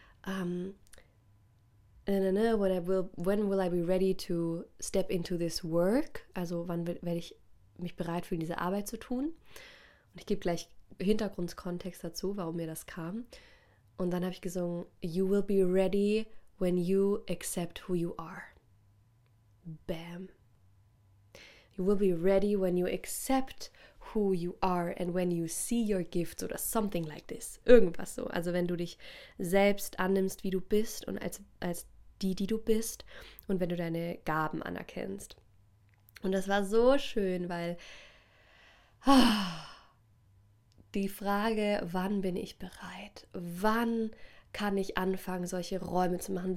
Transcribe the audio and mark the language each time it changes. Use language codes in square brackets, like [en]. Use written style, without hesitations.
[en] When will I be ready to step into this work? [de] Also wann werde ich mich bereit fühlen, diese Arbeit zu tun? Und ich gebe gleich Hintergrundkontext dazu, warum mir das kam. Und dann habe ich gesungen, [en] you will be ready when you accept who you are. Bam. You will be ready when you accept who you are and when you see your gifts oder something like this. [de] Irgendwas so. Also wenn du dich selbst annimmst, wie du bist und als die du bist und wenn du deine Gaben anerkennst. Und das war so schön, weil die Frage, wann bin ich bereit? Wann kann ich anfangen, solche Räume zu machen?